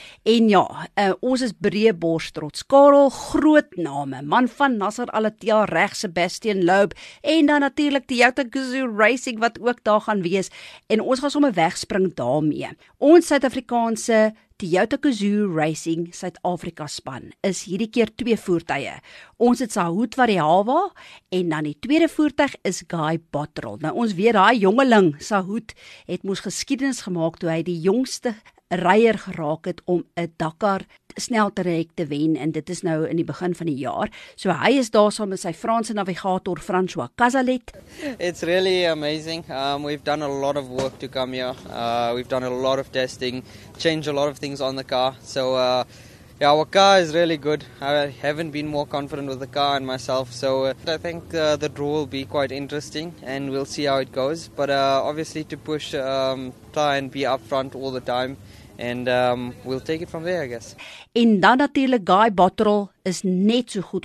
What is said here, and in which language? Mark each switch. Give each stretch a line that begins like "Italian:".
Afrikaans: En ja, ons is breë bors trots. Karel, groot name, man van Nasser Al-Attiyah reg, Sebastian Loeb, en dan natuurlik die Toyota Gazoo Racing, wat ook daar gaan wees. En ons gaan sommer wegspring daarmee. Ons Suid-Afrikaanse Toyota Gazoo Racing Suid-Afrika span is hierdie keer twee voertuie. Ons het Sahoot Variawa en dan die tweede voertuig is Guy Bottrell. Nou ons weet daai jongeling Sahoot het moes geskiedenis gemaak toe hy die jongste ryer geraak het om 'n Dakar sneltraject te wen en dit is nou in die begin van die jaar. So hy is daar saam met sy Franse navigator François Cazalet.
English: It's really amazing. We've done a lot of work to come here. We've done a lot of testing, changed a lot of things on the car. So yeah, our car is really good. I haven't been more confident with the car and myself. So I think the draw will be quite interesting and we'll see how it goes. But obviously to push, try and be up front all the time. And we'll take it from there, I guess.
Afrikaans: En dan natuurlijk, Guy Bottrell is net so goed.